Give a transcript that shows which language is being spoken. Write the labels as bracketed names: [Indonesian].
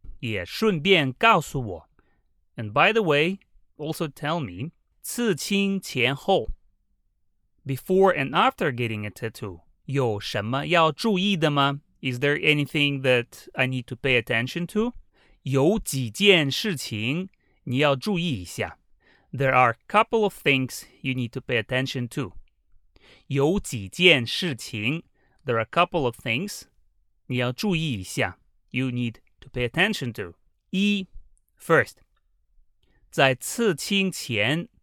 [Chinese] 也顺便告诉我 [English] And by the way,also tell me, [Chinese] 刺青前后, [English] before and after getting a tattoo, [Chinese] 有什么要注意的吗? [English] Is there anything that I need to pay attention to? [Chinese] 有几件事情你要注意一下。 [English] There are a couple of things you need to pay attention to. [Chinese] 有几件事情, [English] there are a couple of things [Chinese] 你要注意一下, [English] you need to pay attention to. [Chinese] 一, [English] first, [Chinese] 在刺青前